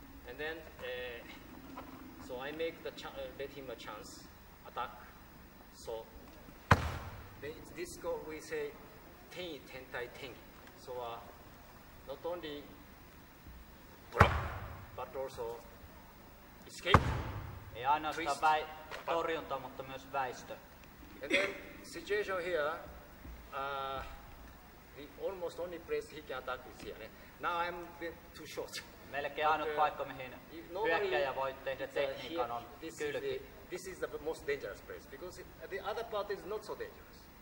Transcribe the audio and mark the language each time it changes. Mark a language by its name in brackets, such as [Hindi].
[English] And then so I make the let him a chance. Attack. So then it's this go we say Tengi, Tentai, Tengi. So not only block, but also escape. [Finnish] Ei ainoastaan torjunta, mutta myös väistö. [English] And then situation here, the almost only place he can attack is here. Now I'm a bit too short. [Finnish] Melkein ainut paikka, mihin hyökkäjä voi tehdä tekniikan, on kylki. [English] This is the most dangerous place, because the other part is not so dangerous.